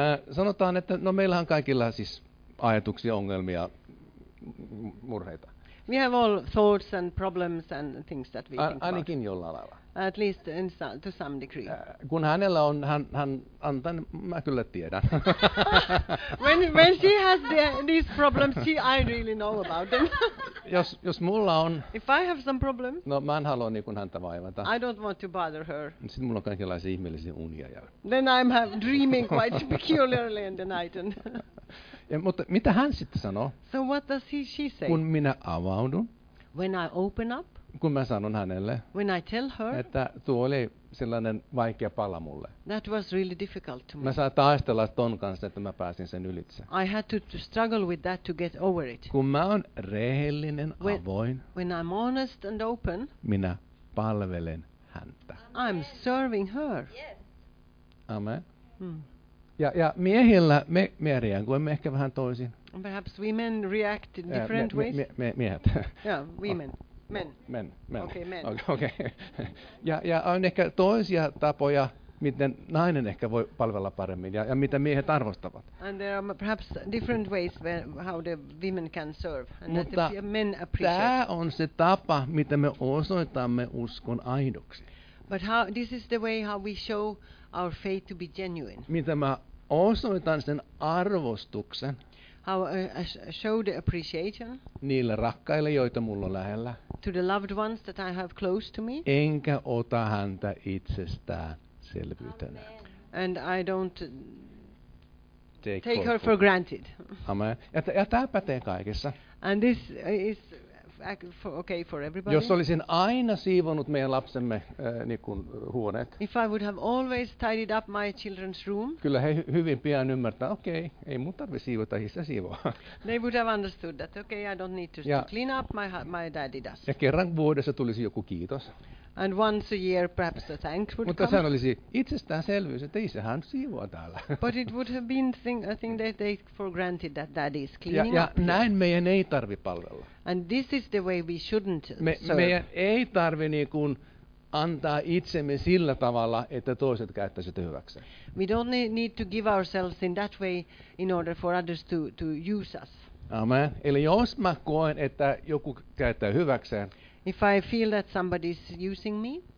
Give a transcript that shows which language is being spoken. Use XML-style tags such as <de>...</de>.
<fi>Sanotaan, että no meillähän on kaikilla siis ajatuksia, ongelmia, murheita.</fi> <en>We have all thoughts and problems and things that we think</en> <fi>ainakin</fi> <en>about.</en> <fi>Jollain lailla.</fi> <en>At least in to some degree.</en> <fi>Kun hänellä on, hän antaa, niin mä kyllä tiedän.</fi> <en>when she has these problems, I really know about them.</en> <fi>jos mulla on.</fi> <en>If I have some problems.</en> <fi>No mä en halua niin kuin häntä vaivata.</fi> <en>I don't want to bother her.</en> <fi>Sitten mulla on kaikenlaisia ihmeellisiä unia.</fi> <en>Then I'm dreaming quite peculiarly in the night.</en> <fi>Ja, mutta mitä hän sitten sanoo?</fi> <en>So what does she say?</en> <fi>Kun minä avaudun.</fi> <en>When I open up.</en> <fi>Kun mä sanon hänelle.</fi> <en>When I tell her.</en> <fi>Että tuo oli sellainen vaikea pala mulle.</fi> <en>That was really difficult to me.</en> <fi>Mä saan taistella ton kanssa, että mä pääsin sen ylitse.</fi> <en>I had to struggle with that to get over it.</en> <fi>Kun mä oon rehellinen, avoin.</fi> <en>When I'm honest and open.</en> <fi>Minä palvelen häntä.</fi> <en>Amen. I'm serving her. Yes. Amen. Hmm.</en> <fi>Ja miehillä me reagoimme ehkä vähän toisin.</fi> <en>Perhaps women react in different ways.</en> <fi>Miehet.</fi> <en>Yeah, women. Men. Men. Okay, men. Okay.</en> <fi>Ja on ehkä toisia tapoja, miten nainen ehkä voi palvella paremmin ja mitä miehet arvostavat.</fi> <en>And there are perhaps different ways where how the women can serve and</en> <fi>mutta</fi> <en>that the men appreciate.</en> <fi>Tämä on se tapa, miten me osoitamme uskon aidoksi.</fi> <en>But how this is the way how we show our faith to be genuine.</en> <fi>Mitä mä osoitan sen arvostuksen?</fi> <en>How show the appreciation?</en> <fi>Niille rakkaille, joita mulla on lähellä.</fi> <en>To the loved ones that I have close to me.</en> <fi>Enkä ota häntä itsestään selvyytenä.</fi> <en>And I don't take her for granted.</en> <fi>Amen. Ja tämä pätee kaikessa.</fi> <en>And this is okay for everybody.</en> <fi>Jos olisin aina siivonut meidän lapsemme huoneet.</fi> <en>If I would have always tidied up my children's room.</en> <fi>Kyllä he hyvin pian ymmärtää. Okei, okay, ei mun tarvitse siivota, hissä siivoa.</fi> <en>They would have understood that. Okay, I don't need to clean up, my daddy does.</en> <fi>Ja kerran vuodessa tulisi joku kiitos.</fi> <en>And once a year perhaps a thanks would</en> <fi>mutta</fi> <en>come.</en> <fi>Mutta sehän olisi itsestäänselvyys, että isähän siivoo täällä.</fi> <en>But it would have been a thing they take for granted that daddy is cleaning</en> <fi>ja näin meidän ei tarvitse palvella.</fi> <en>And this is the way we shouldn't serve.</en> <fi>Meidän ei tarvitse niin kuin antaa itsemme sillä tavalla, että toiset käyttäisivät hyväksi.</fi> <en>We don't need to give ourselves in that way in order for others to use us.</en> <fi>Amen. Eli jos mä koen, että joku käyttää hyväkseen. If I feel that somebody is using me,</fi>